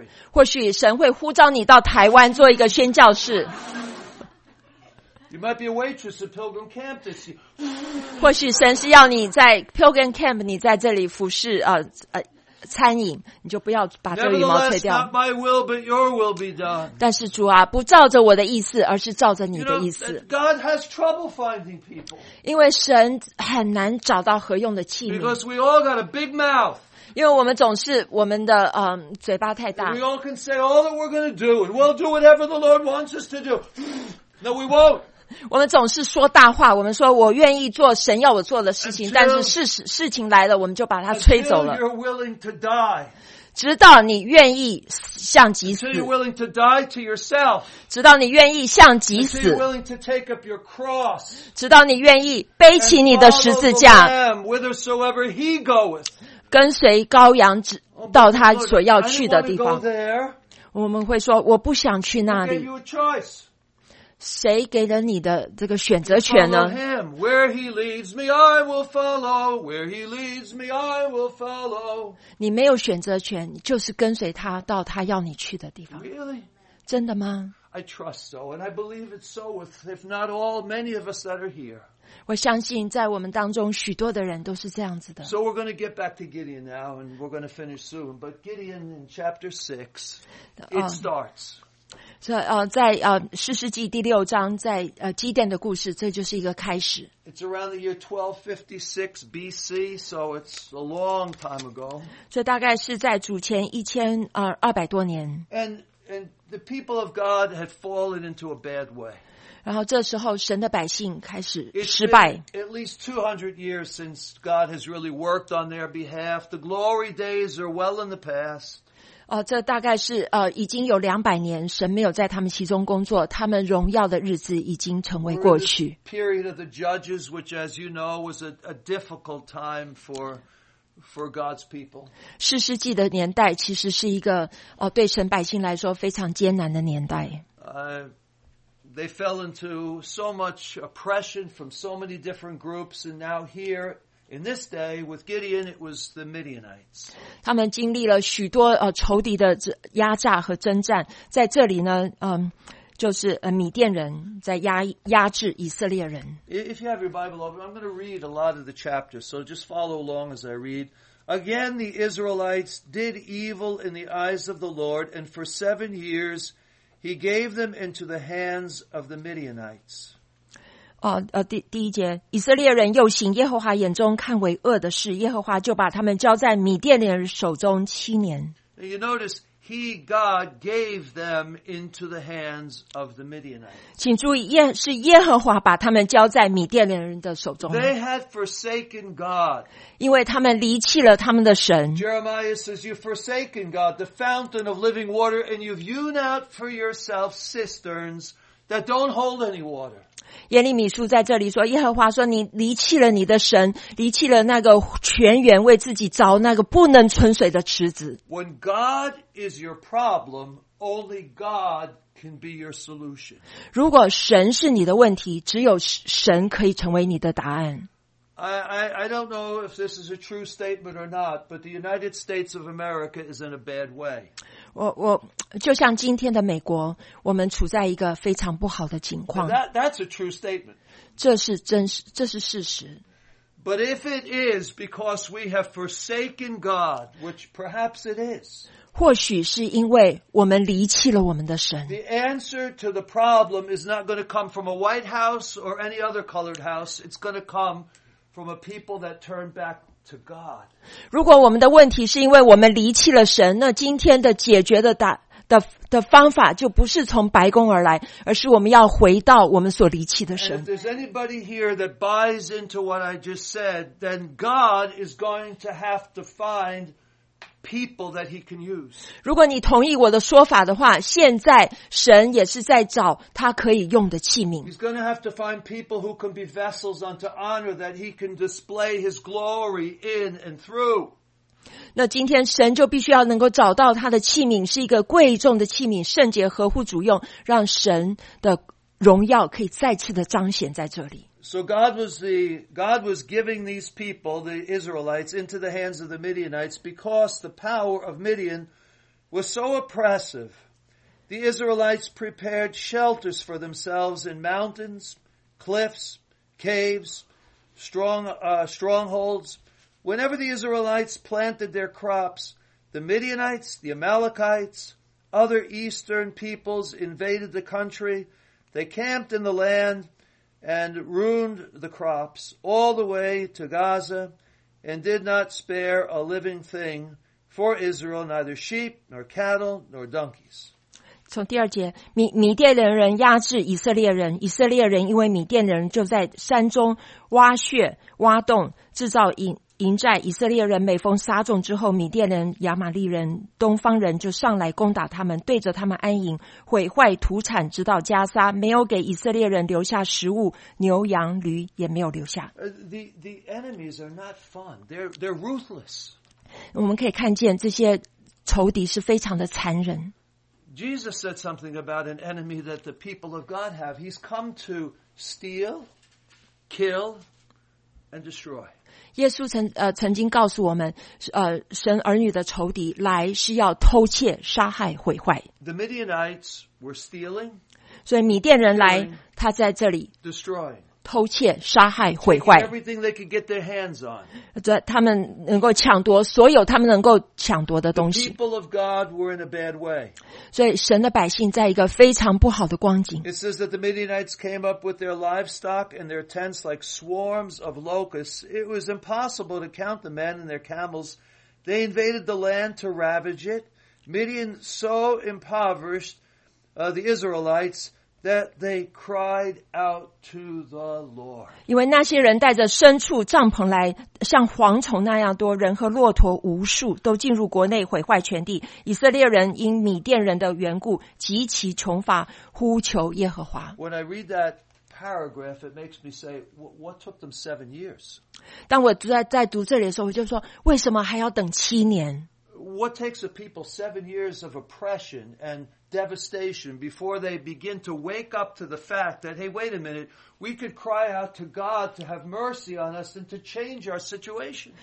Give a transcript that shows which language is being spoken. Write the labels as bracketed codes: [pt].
[zh] 或许神会呼召你到台湾做一个宣教士。 [en] You might be a waitress at Pilgrim Camp this year. [zh] 或许神是要你在 Pilgrim Camp， 你在这里服侍餐饮，你就不要把这个羽毛吹掉。 [en] Not my will, but your will be done. [zh] 但是主啊，不照着我的意思，而是照着你的意思。 [en] You know, God has trouble finding people. [zh] 因为神很难找到合用的器皿。 [en] Because we all got a big mouth. [zh] 因为我们总是我们的嘴巴太大。 [en] We all can say all that we're going to do, and we'll do whatever the Lord wants us to do. No, we won't. [zh] 我们总是说大话，我们说我愿意做神要我做的事情，但是事情来了，我们就把它吹走了。 [en] You're willing to die， [zh] 直到你愿意向己死。 [en] You're willing to die to yourself， [zh] 直到你愿意向己死。 [en] You're willing to take up your cross， [zh] 直到你愿意背起你的十字架。 [en] Whithersoever he goeth， [zh] 跟随羔羊到他所要去的地方。我们会说我不想去那里。谁给了你的这个选择权呢？ [en] Him, where he leads me, I will follow. Where he leads me, I will follow. [zh] 你没有选择权，就是跟随他到他要你去的地方。 [en] Really? [zh] 真的吗？ [en] I trust so, and I believe it's so with, if not all, many of us that are here. [zh] 我相信在我们当中许多的人都是这样子的。 [en] So we're going to get back to Gideon now, and we're going to finish soon. But Gideon in chapter 6, it starts. [zh] 在士师记第六章，在基甸的故事，这就是一个开始。 [en] It's around the year 1256 BC, so it's a long time ago. [zh] 这大概是在主前1200多年。 [en] And the people of God had fallen into a bad way. [zh] 然后这时候，神的百姓开始失败。 [en] It's been at least 200 years since God has really worked on their behalf. The glory days are well in the past. [zh] 这大概是已经有200年神没有在他们其中工作，他们荣耀的日子已经成为过去。 [en] Period of the judges, which as you know was a difficult time for God's people. [zh] 士师记的年代其实是一个对神百姓来说非常艰难的年代。 [en] They fell into so much oppression from so many different groups, and now here,In this day, with Gideon, it was the Midianites. [zh] 他们经历了许多仇敌的压榨和征战，在这里呢，就是米甸人在压制以色列人。 [en] If you have your Bible open, I'm going to read a lot of the chapters, so just follow along as I read. Again, the Israelites did evil in the eyes of the Lord, and for 7 years, He gave them into the hands of the Midianites. [zh] 第一节，以色列人又行耶和华眼中看为恶的事，耶和华就把他们交在米甸人手中7年。 [en] You notice he God gave them into the hands of the Midianites. [zh] 请注意，是耶和华把他们交在米甸人的手中。 [en] They had forsaken God. [zh] 因为他们离弃了他们的神。 [en] Jeremiah says, "You've forsaken God, the fountain of living water, and you've hewn out for yourself cisterns that don't hold any water." [zh] 耶利米书在这里说，耶和华说，你离弃了你的神，离弃了那个泉源，为自己凿那个不能存水的池子。 [en] When God is your problem, only God can be your solution. [zh] 如果神是你的问题，只有神可以成为你的答案。 [en] I don't know if this is a true statement or not, but the United States of America is in a bad way. [zh] 我就像今天的美国，我们处在一个非常不好的境况。 [en] That's a true statement. [zh] 这是事实。 [en] But if it is because we have forsaken God, which perhaps it is, [zh] 或许是因为我们离弃了我们的神。 [en] The answer to the problem is not going to come from a White House or any other colored house. It's going to come from a people that turn back. To God. [zh] 如果我们的问题是因为我们离弃了神，那今天的解决 的方法就不是从白宫而来，而是我们要回到我们所离弃的神。 [en] If there's anybody here that buys into what I just said, then God is going to have to find people that he can use. [zh] 如果你同意我的说法的话，现在神也是在找他可以用的器皿。 [en] He's going to have to find people who can be vessels unto honor that he can display his glory in and through. [zh] 那今天神就必须要能够找到他的器皿，是一个贵重的器皿，圣洁合乎主用，让神的荣耀可以再次的彰显在这里。 [en] So God was giving these people, the Israelites, into the hands of the Midianites because the power of Midian was so oppressive. The Israelites prepared shelters for themselves in mountains, cliffs, caves, strongholds. Whenever the Israelites planted their crops, the Midianites, the Amalekites, other eastern peoples invaded the country. They camped in the land and ruined the crops all the way to Gaza and did not spare a living thing for Israel, neither sheep, nor cattle, nor donkeys. [zh] 从第二节，米甸人压制以色列人，以色列人因为米甸人就在山中挖穴、挖洞，制造营寨。以色列人每逢杀众之后，米甸人、亚玛利人、东方人就上来攻打他们，对着他们安营，毁坏土产，直到加沙，没有给以色列人留下食物，牛羊驴也没有留下。 [en] The enemies are not fun. They're ruthless. [zh] 我们可以看见这些仇敌是非常的残忍。 [en] Jesus said something about an enemy that the people of God have. He's come to steal, kill, and destroy. [zh] 耶稣曾经告诉我们，神儿女的仇敌来是要偷窃、杀害、毁坏。 [en] The Midianites were stealing. [zh] 所以米甸人来，他在这里 [en] destroying, [zh] 偷窃、杀害、毁坏。 [en] Everything they could get their hands on. [zh] 他们能够抢夺所有他们能够抢夺的东西。 [en] The people of God were in a bad way. [zh] 所以神的百姓在一个非常不好的光景。 [en] It says that the Midianites came up with their livestock and their tents like swarms of locusts. It was impossible to count the men and their camels. They invaded the land to ravage it. Midian so impoverished, the Israelites,That they cried out to the Lord. [zh] 因为那些人带着牲畜帐篷来，像蝗虫那样多，人和骆驼无数，都进入国内毁坏全地。以色列人因米甸人的缘故极其穷乏，呼求耶和华。 [en] When I read that paragraph, it makes me say, "What took them 7 years?" [zh] 当我在读这里的时候，我就说，为什么还要等七年 [en] ？What takes a people 7 years of oppression and devastation before they begin to wake up to the fact that, hey, wait a minute, we could cry out to God to have mercy on us and to change our situation.